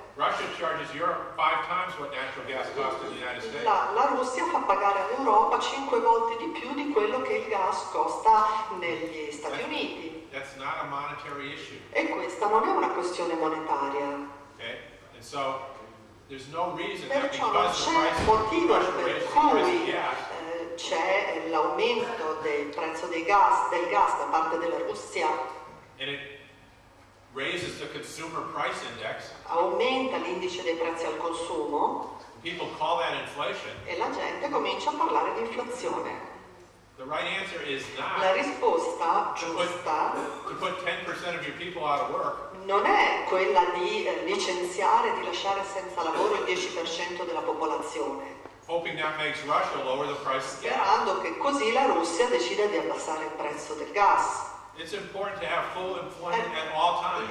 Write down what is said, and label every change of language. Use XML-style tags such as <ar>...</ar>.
<en>Russia charges Europe five times what natural gas costs in the United States.</en> <it>La Russia fa pagare all'Europa 5 volte di più di quello che il gas costa negli Stati Uniti.</it> <en>That's not a monetary issue.</en> <it>E questa non è una questione monetaria.</it> <en>Okay. And so, there's no reason</en> <it>perciò</it> <en>that</en> <it>non c'è motivo per cui c'è l'aumento del prezzo del gas da parte della Russia.</it> <en>And it raises the consumer price index.</en> <it>Aumenta l'indice dei prezzi al consumo.</it> <en>People call that inflation.</en> <it>E la gente comincia a parlare di inflazione.</it> <en>The right answer is not</en> <it>la risposta giusta</it> <en>to put 10% of your people out of work.</en> <it>Non è quella di licenziare, di lasciare senza lavoro il 10% della popolazione.</it> <en>Hoping that makes Russia lower the price again.</en> <it>Sperando che così la Russia decida di abbassare il prezzo del gas.</it> <en>It's important to have full employment at all times.</en>